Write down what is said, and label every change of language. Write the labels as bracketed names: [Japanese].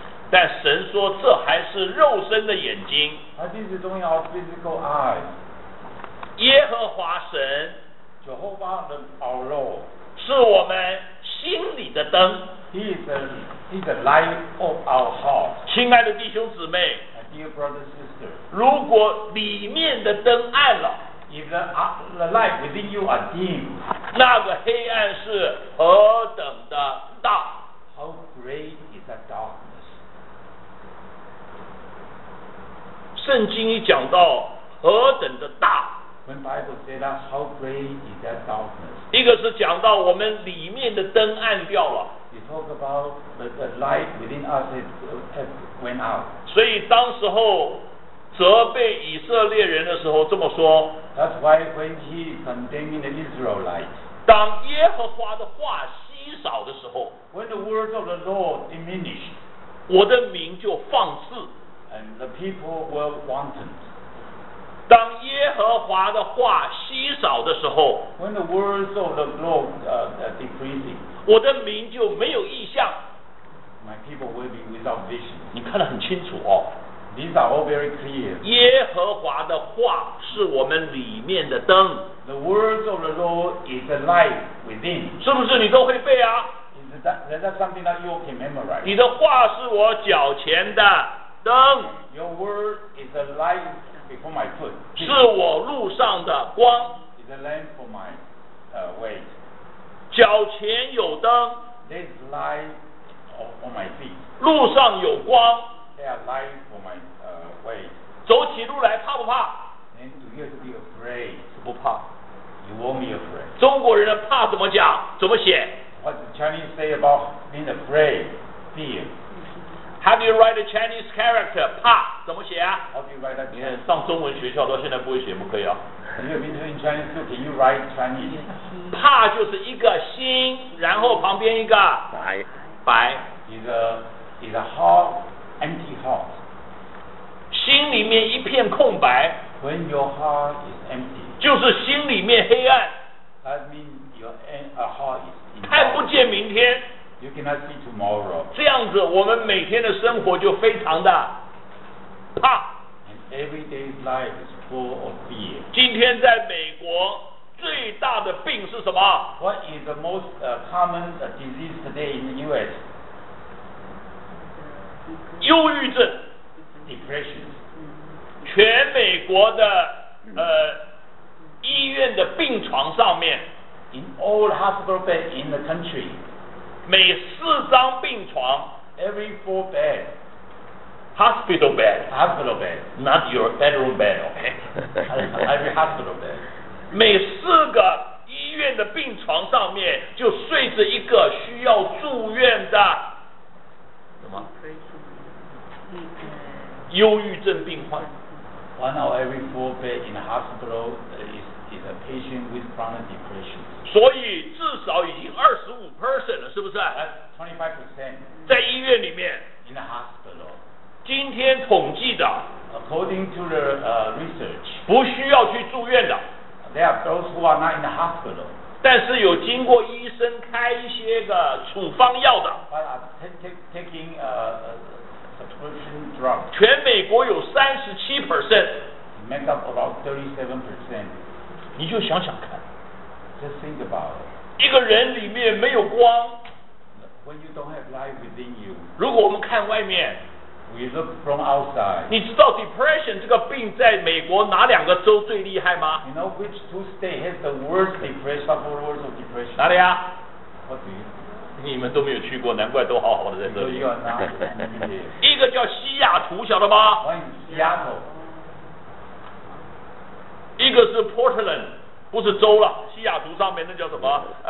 [Chinese] 但神说这还是肉身的眼睛 [English] This is only our physical eye [Chinese] 耶和华神 [English] Jehovah our Lord [Chinese] 是我们心里的灯 [English] He is the light of our heart. [Chinese] 亲爱的弟兄姊妹 [English] dear brothers and sisters, [Chinese] 如果里面的灯暗了 [English] If the light within you are dim, [Chinese] 那个黑暗是何等的大 [English] How great is that darkness? [Chinese] 圣经一讲到何等的大 [English] When Bible says that, how great is that darkness? [Chinese] 一个是讲到我们里面的灯暗掉了 [English] You talk about the light within us has went out. [Chinese] 所以当时候责备以色列人的时候这么说。 [English] That's why when he condemned the Israelites. [Chinese] 当耶和华的话稀少的时候。 [English] When the words of the Lord diminished. [Chinese] 我的名就放肆。 [English] And the people were wanton. [Chinese] 当耶和华的话稀少的时候。 [English] When the words of the Lord decreasing. [Chinese] 我的名就没有意象 [English] My people will be without vision [Chinese] 你看得很清楚哦 [English] These are all very clear [Chinese] 耶和华的话是我们里面的灯 [English] The words of the Lord is the light within [Chinese] 是不是你都会背啊 [English] Is that something that you can memorize [Chinese] 你的话是我脚前的灯 [English] Your word is the light before my foot [Chinese] 是我路上的光 [English] Is the lamp for my way [Chinese] 脚前有灯 [English] There's light on my feet [Chinese] 路上有光 [English] There are light on my way [Chinese] 走起路来怕不怕 [English] Then do you have to be afraid [Chinese] 是不怕 [English] You won't be afraid [Chinese] 中国人的怕怎么讲怎么写 [English] What does Chinese say about being afraid Fear How do you write a Chinese character [Chinese] 怕怎么写啊 [English] How do you write that [Chinese] 你看上中文学校到现在不会写不可以啊 [English] You have been in Chinese too. Can you write Chinese? [Chinese] 怕就是一个心，然后旁边一个白，白。 [English] Is a heart empty heart. [Chinese] 心里面一片空白。 [English] When your heart is empty. [Chinese] 就是心里面黑暗。 [English] That means your heart is empty. [Chinese] 看不见明天。 [English] You cannot see tomorrow. [Chinese] 这样子，我们每天的生活就非常的怕。 [English] And everyday life is full of fear. [Chinese] 今天在美国最大的病是什么？ [English] What is the most common disease today in the US? [Chinese] 忧郁症。 [English] Depression. [Chinese] 全美国的医院的病床上面， [English] In all hospital beds in the country, [Chinese] 每四张病床， [English] Every four beds. Hospital bed. Hospital bed. Not your bedroom bed, okay? Every hospital bed. [Chinese] 每四个医院的病床上面就睡着一个需要住院的什么？忧郁症病患。 [English] One of every four beds in the hospital is a patient with chronic depression. [Chinese] 所以至少已经25% 了，是不是？ [English] That's 25%. [Chinese] 在医院里面。 [English] In the hospital. [Chinese] 今天统计的 [English] according to the research [Chinese] 不需要去住院的 [English] there are those who are not in the hospital [Chinese] 但是有经过医生开一些个处方药的 [English] but are taking prescription drugs [Chinese] 全美国有 37% [English] make up about 37% [Chinese] 你就想想看 [English] just think about it [Chinese] 一个人里面没有光 [English] when you don't have light within you [Chinese] 如果我们看外面 [English] We look from outside. [Chinese] 你知道 depression 这个病在美国哪两个州最厉害吗？ [English] You know which two states has the worst depression, the worst of depression? [Chinese] 哪里啊？ [English] What do you? [Chinese] 你们都没有去过，难怪都好好的在这里。 [English] You are not. [Chinese] 一个叫西雅图，晓得吗？ [English] Seattle. [Chinese] 一个是 Portland， 不是州了，西雅图上面那叫什么？